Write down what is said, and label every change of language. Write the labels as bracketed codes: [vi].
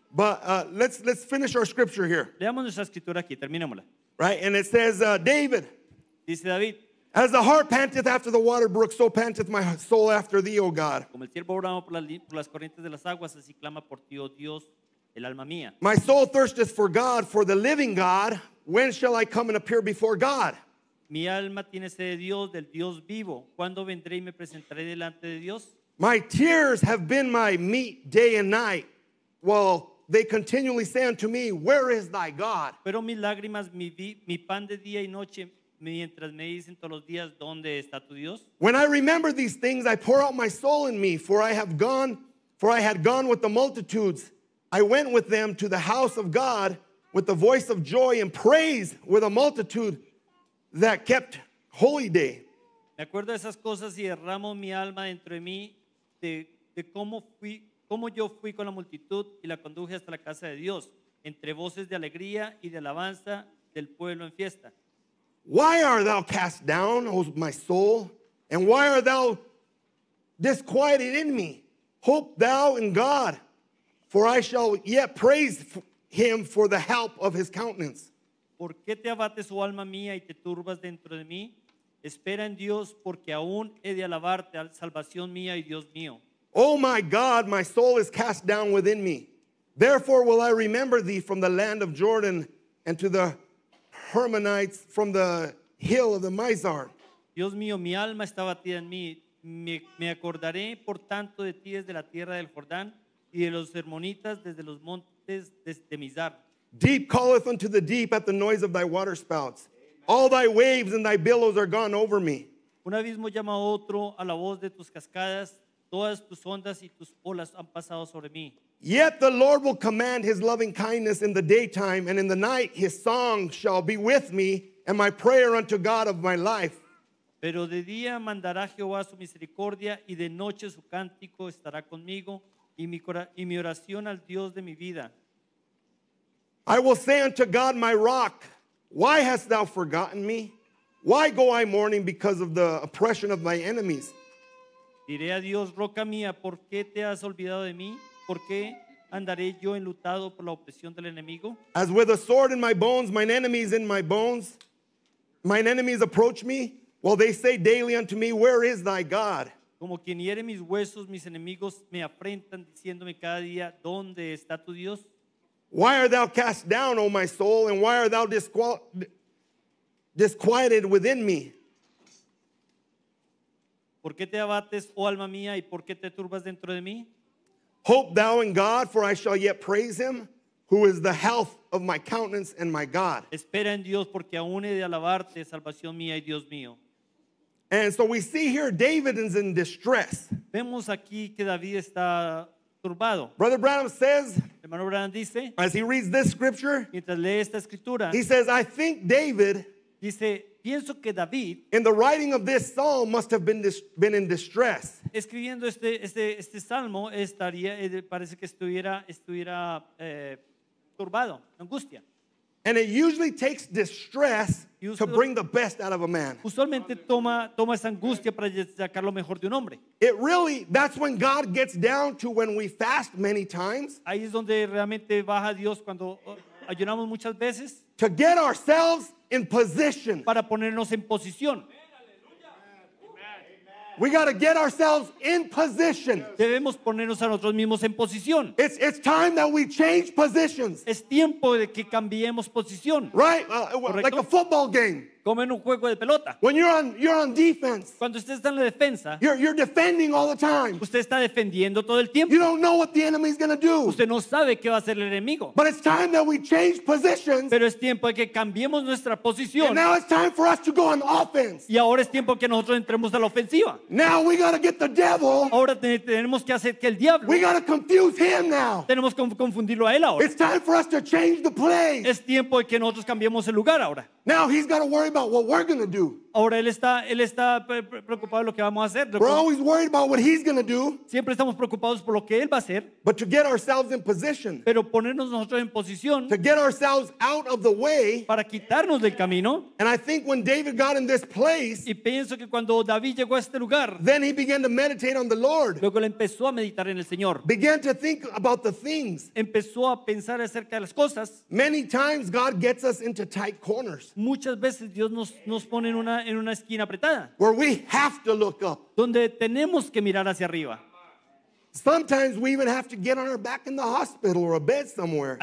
[en] But let's finish our scripture here. [es] Leamos nuestra escritura aquí. Terminémosla. [en] Right, and it says David. [es] Dice David. [en] As the hart panteth after the water brook, so panteth my soul after thee, O God. [es] Como el ciervo brama por las corrientes de las aguas, así clama por ti, oh Dios, el alma mía. [en] My soul thirsteth for God, for the living God. When shall I come and appear before God? [es] Mi alma tiene sed de Dios, del Dios vivo. ¿Cuándo vendré y me presentaré delante de Dios? [en] My tears have been my meat day and night, while they continually say unto me, Where is thy God? [es] Pero mis lágrimas, mi pan de día y noche, mientras me dicen todos los días, ¿dónde está tu Dios? [en] When I remember these things, I pour out my soul in me, for I had gone with the multitudes. I went with them to the house of God with the voice of joy and praise with a multitude that kept holy day. [es] Me acuerdo de esas cosas y derramo mi alma dentro de mí de cómo yo fui con la multitud y la conduje hasta la casa de Dios entre voces de alegría y de alabanza del pueblo en fiesta. [en] Why art thou cast down, O my soul? And why art thou disquieted in me? Hope thou in God, for I shall yet praise him for the help of his countenance. [es] ¿Por qué te abates, oh alma mía, y te turbas dentro de mí? Espera en Dios, porque aún he de alabarte, salvación mía y Dios mío. [en] Oh my God, my soul is cast down within me. Therefore will I remember thee from the land of Jordan and to the Hermonites from the hill of the Mizar. [es] Dios mío, mi alma está batida en mí. Me acordaré, por tanto, de ti desde la tierra del Jordán y de los Hermonitas desde los montes de Mizar. [en] Deep calleth unto the deep at the noise of thy waterspouts. All thy waves and thy billows are gone over me. [es] Un abismo llama a otro a la voz de tus cascadas. Todas tus ondas y tus olas han pasado sobre mí. [en] Yet the Lord will command his loving kindness in the daytime, and in the night his song shall be with me, and my prayer unto God of my life. [es] Pero de día mandará Jehová su misericordia, y de noche su cántico estará conmigo, y mi oración al Dios de mi vida. [en] I will say unto God, my rock, why hast thou forgotten me? Why go I mourning because of the oppression of my enemies? [es] Diré a Dios, roca mía, ¿por qué te has olvidado de mí? ¿Por qué andaré yo enlutado por la opresión del enemigo? [en] As with a sword in my bones, mine enemies in my bones, mine enemies approach me, while they say daily unto me, Where is thy God? [es] Como quien hiere mis huesos, mis enemigos me afrentan, diciéndome cada día, ¿dónde está tu Dios? [en] Why art thou cast down, O my soul, and why art thou disquieted within me? [es] ¿Por qué te abates, oh alma mía, y por qué te turbas dentro de mí? [en] Hope thou in God, for I shall yet praise him, who is the health of my countenance and my God. [es] Espera en Dios, porque aún he de alabarte, salvación mía y Dios mío. [en] And so we see here David is in distress. [es] Vemos aquí que David está turbado. [en] Brother Branham says, [es] hermano Branham dice, [en] as he reads this scripture, [es] mientras lee esta escritura, [en] he says, I think David, [es] dice, pienso que David, [en] in the writing of this psalm, must have been in distress. [es] Escribiendo este salmo, estaría, parece que estuviera turbado, angustia. [en] And it usually takes distress to bring the best out of a man. [es] Usualmente toma esa angustia para sacar lo mejor de un hombre. [en] It really, that's when God gets down to when we fast many times. [es] Ahí es donde realmente baja Dios cuando ayunamos muchas veces. [en] To get ourselves in position. [es] Para ponernos en posición. [en] We got to get ourselves in position. [es] Debemos ponernos a nosotros mismos en posición. [en] It's time that we change positions. [es] Es tiempo de que cambiemos posición. [en] Right? Like a football game. [es] Comen un juego de pelota. [en] When you're on defense. [es] Cuando usted está en la defensa. [en] You're defending all the time. [es] Usted está defendiendo todo el tiempo. [en] You don't know what the enemy is going to do. [es] Usted no sabe qué va a hacer el enemigo. [en] But it's time that we change positions. [es] Pero es tiempo de que cambiemos nuestra posición. [en] And now it's time for us to go on offense. [es] Y ahora es tiempo que nosotros entremos a la ofensiva. [en] Now we got to get the devil. [es] Ahora tenemos que hacer que el diablo. [en] We got to confuse him now. [es] Tenemos que confundirlo a él ahora. [en] It's time for us to change the place. [es] Es tiempo de que nosotros cambiemos el lugar ahora. [en] Now he's got to worry about what we're going to do. [es] Ahora él está preocupado de lo que vamos a hacer. [en] We're always worried about what he's going to do. [es] Siempre estamos preocupados por lo que él va a hacer. [en] But to get ourselves in position. [es] Pero ponernos nosotros en posición. [en] To get ourselves out of the way. [es] Para quitarnos del camino. [en] And I think when David got in this place. [es] Y pienso que cuando David llegó a este lugar. [en] Then he began to meditate on the Lord. [es] Luego él empezó a meditar en el Señor. [en] Began to think about the things. [es] Empezó a pensar acerca de las cosas. [en] Many times God gets us into tight corners. [es] Muchas veces Dios nos pone en una esquina apretada. [en] Where we have to look up. [es] Donde tenemos que mirar hacia arriba. [en] Sometimes we even have to get on our back in the hospital or a bed somewhere.